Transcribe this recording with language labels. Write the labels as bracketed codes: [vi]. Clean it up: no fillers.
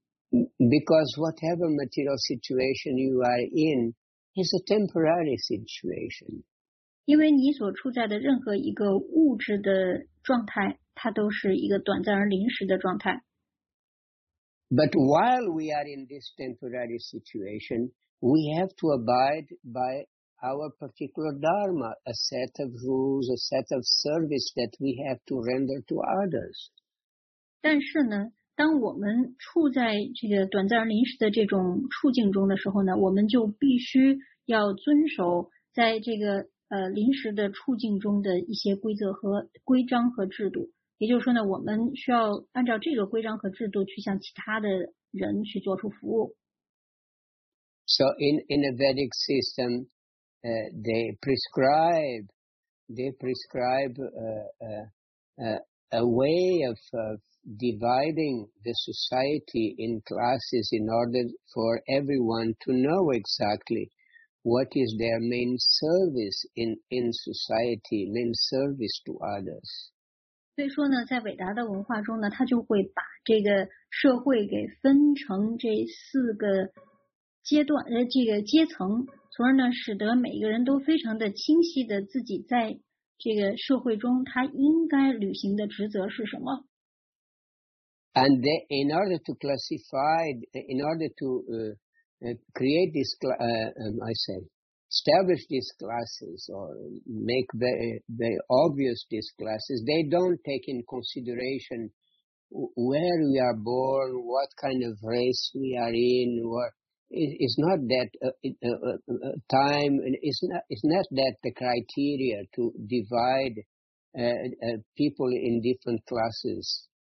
[en] Because whatever material situation you are in is a temporary situation. [zh] 因为你所处在的任何一个物质的状态，它都是一个短暂而临时的状态。 [en] But while we are in this temporary situation, we have to abide by our particular dharma, a set of rules, a set of service that we have to render to others. [zh] 但是呢，当我们处在这个短暂而临时的这种处境中的时候呢，我们就必须要遵守在这个临时的处境中的一些规则和规章和制度。也就是说呢，我们需要按照这个规章和制度去向其他的人去做出服务。 [en] So in a Vedic system, they prescribe a way of dividing the society in classes in order for everyone to know exactly what is their main service in society, main service to others. [zh] 所以说呢，在伟达的文化中呢，他就会把这个社会给分成这四个阶段，这个阶层，从而呢，使得每一个人都非常的清晰的自己在这个社会中他应该履行的职责是什么。 [en] And then in order to classify, in order to create this, I say, establish these classes or make very obvious these classes, they don't take in consideration where we are born, what kind of race we are in, or it's not that time, it's not that the criteria to divide people in different classes.